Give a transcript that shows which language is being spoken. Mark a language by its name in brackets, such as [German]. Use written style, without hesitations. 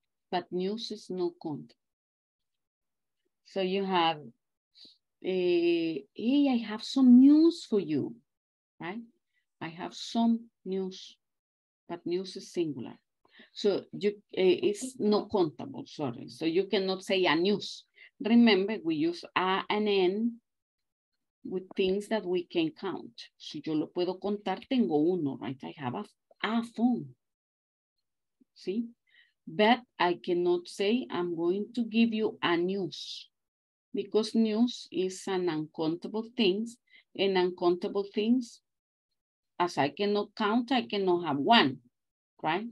[English] But news is no count. So you have, hey, I have some news for you, right? I have some news, but news is singular. So you it's no countable, sorry. So you cannot say a news. Remember, we use a and n with things that we can count. [Spanish] Si yo lo puedo contar, tengo uno, right? [English] I have a phone, see? But I cannot say I'm going to give you a news because news is an uncountable things and uncountable things, as I cannot count, I cannot have one. Right?